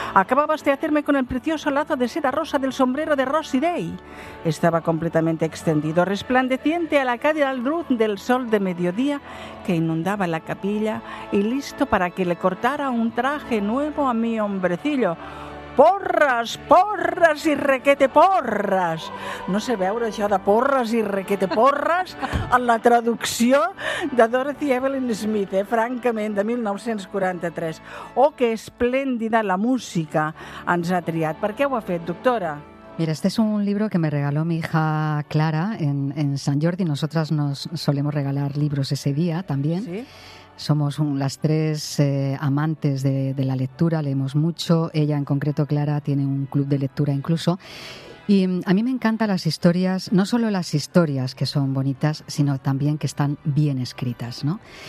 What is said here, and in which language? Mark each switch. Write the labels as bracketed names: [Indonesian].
[Spanish] Acababas de hacerme con el precioso lazo de seda rosa del sombrero de Rosy Day. Estaba completamente extendido, resplandeciente a la cálida luz del sol de mediodía que inundaba la capilla y listo para que le cortara un traje nuevo a mi hombrecillo. Porras, porras i requete porras. [Catalan] No sé veure això de [Spanish] porras i requete porras [Catalan] en la traducció de Dorothy Evelyn Smith, francament, de 1943. Oh, que esplèndida la música ens ha triat. Per què ho ha fet, doctora? [Spanish] Mira, este es un libro que me regaló mi hija Clara en Sant Jordi. Nosotras nos solemos regalar libros ese día también. Sí. Somos las tres amantes de la lectura, leemos mucho. Ella, en concreto, Clara, tiene un club de lectura incluso. Y a mí me encantan las historias, no solo las historias que son bonitas, sino también que están bien escritas, ¿no?